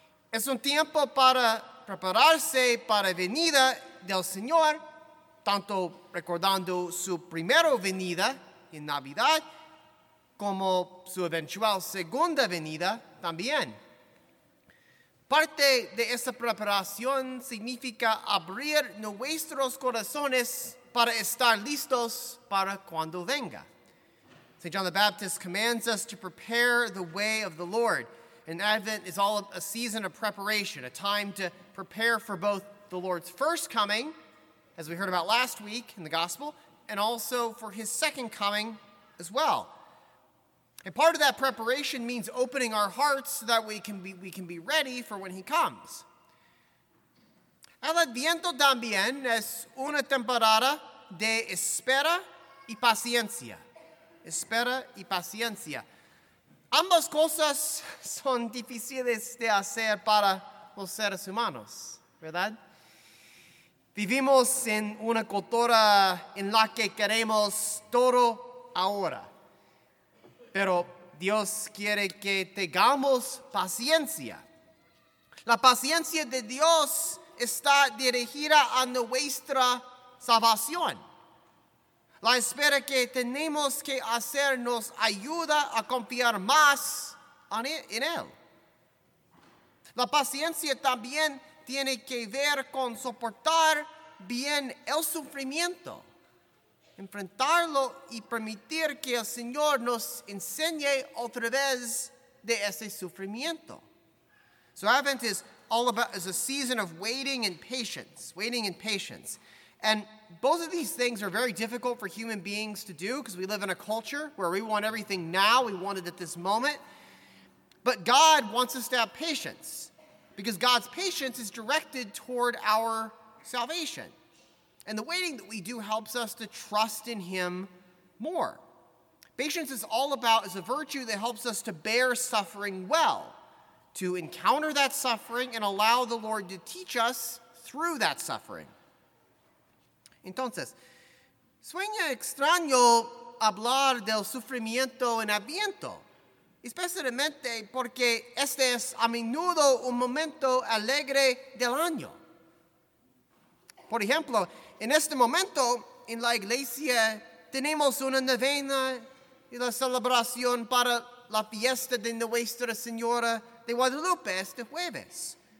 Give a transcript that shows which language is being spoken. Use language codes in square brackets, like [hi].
[es] Es un tiempo para prepararse para la venida del Señor, tanto recordando su primera venida en Navidad, como su eventual segunda venida también. Parte de esa preparación significa abrir nuestros corazones para estar listos para cuando venga. [en] St. John the Baptist commands us to prepare the way of the Lord. And Advent is all a season of preparation, a time to prepare for both the Lord's first coming, as we heard about last week in the gospel, and also for his second coming as well. And part of that preparation means opening our hearts so that we can be ready for when he comes. [es] El Adviento también es una temporada de espera y paciencia. Espera y paciencia. Ambas cosas son difíciles de hacer para los seres humanos, ¿verdad? Vivimos en una cultura en la que queremos todo ahora. Pero Dios quiere que tengamos paciencia. La paciencia de Dios está dirigida a nuestra salvación. La espera que tenemos que hacer nos ayuda a confiar más en Él. La paciencia también tiene que ver con soportar bien el sufrimiento, enfrentarlo y permitir que el Señor nos enseñe a través de ese sufrimiento. [en] So Advent is all about is a season of waiting and patience. And both of these things are very difficult for human beings to do because we live in a culture where we want everything now, we want it at this moment. But God wants us to have patience because God's patience is directed toward our salvation. And the waiting that we do helps us to trust in him more. Patience is all about, is a virtue that helps us to bear suffering well, to encounter that suffering and allow the Lord to teach us through that suffering. [es] Entonces, suena extraño hablar del sufrimiento en Adviento, especialmente porque este es a menudo un momento alegre del año. Por ejemplo, en este momento en la iglesia tenemos una novena y la celebración para la fiesta de Nuestra Señora de Guadalupe este jueves.